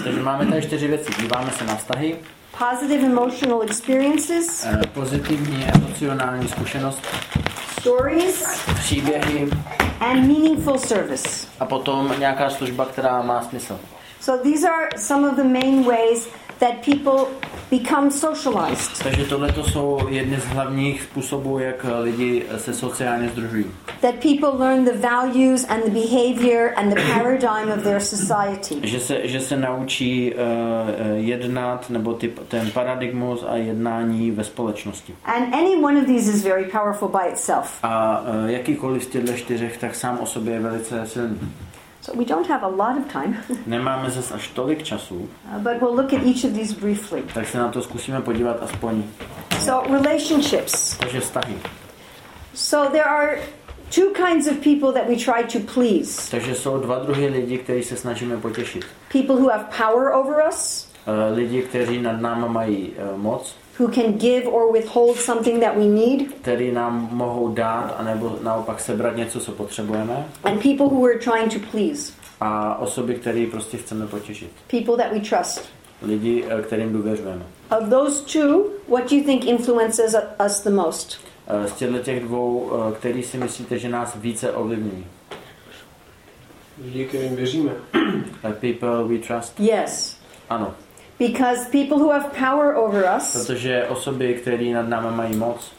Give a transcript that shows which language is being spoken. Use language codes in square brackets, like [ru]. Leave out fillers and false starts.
[cs] Takže máme tady čtyři věci. Díváme se na vztahy. [en] Positive emotional experiences. [cs] Pozitivní emocionální zkušenost. [en] Stories. [cs] Příběhy. [en] And meaningful service. [cs] A potom nějaká služba, která má smysl. [en] So these are some of the main ways that people become socialized. [cs] Takže tohle to jsou jedny z hlavních způsobů, jak lidi se sociálně združují. [en] That people learn the values and the behavior and the paradigm of their society. [cs] Že se naučí jednat nebo ten paradigmus a jednání ve společnosti. [en] And any one of these is very powerful by itself. [cs] A jakýkoliv z těchto čtyřech tak sám o sobě je velice silný. [en] So we don't have a lot of time. [cs] Nemáme zas až tolik času. [en] But we'll look at each of these briefly. [cs] Tak se na to zkusíme podívat aspoň. [en] So relationships. [cs] Takže vztahy. [en] So there are two kinds of people that we try to please. [cs] Takže jsou dva druhy lidí, který se snažíme potěšit. [en] People who have power over us. [cs] Lidi, kteří nad námi mají moc. [en] Who can give or withhold something that we need? [cs] Který nám mohou dát a nebo naopak sebrat něco, co potřebujeme. [en] And people who we're trying to please. [cs] A osoby, které prostě chceme potěšit. [en] People that we trust. [cs] Lidi, kterým důvěřujeme. [en] Of those two, what do you think influences us the most? [cs] Z těchto těch dvou, který si myslíte, že nás více ovlivňují? Lidi, kterým věříme. [en] People we trust. Yes. [cs] Ano. [en] Because people who have power over us. [cs] Protože osoby, které nad námi mají moc.